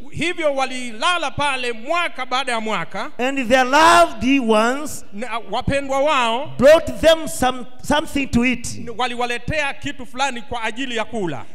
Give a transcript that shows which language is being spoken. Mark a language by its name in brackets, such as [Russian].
[Swahili] Hivyo walilala pale mwaka baada ya mwaka. [English] And their loved ones [Swahili] wapendwa wao [English] brought them something to eat. [Swahili] Waliwaletea kitu fulani kwa ajili ya kula.